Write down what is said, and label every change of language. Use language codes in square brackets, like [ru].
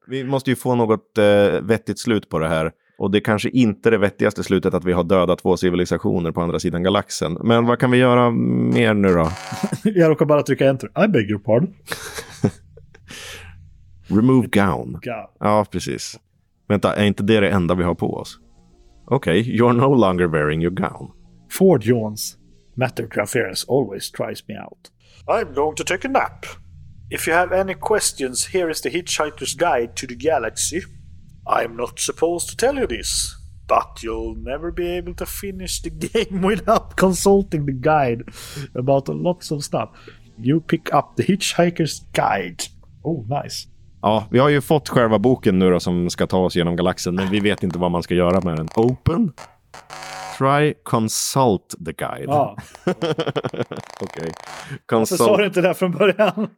[sv] Vi måste ju få något vettigt slut på det här. Och det kanske inte är det vettigaste slutet att vi har dödat två civilisationer på andra sidan galaxen. Men vad kan vi göra mer nu då? Jag råkar bara trycka enter. [en] I beg your pardon. Remove gown. Gown. [sv] Ja, precis. Vänta, är inte det enda vi har på oss? Okej, [en] okay, you're no longer wearing your gown. Ford yawns. Matter Graferis always tries me out. I'm going to take a nap. If you have any questions, here is the Hitchhiker's Guide to the Galaxy. I'm not supposed to tell you this, but you'll never be able to finish the game without consulting the guide about lots of stuff. You pick up the Hitchhiker's Guide. Oh, nice. [sv] Ja, vi har ju fått själva boken nu då som ska ta oss genom galaxen, men vi vet inte vad man ska göra med den. [en] Open. Try consult the guide. [sv] Ja. Okej. [en] Okay. Consult. [sv] Varför sa du inte det där från början?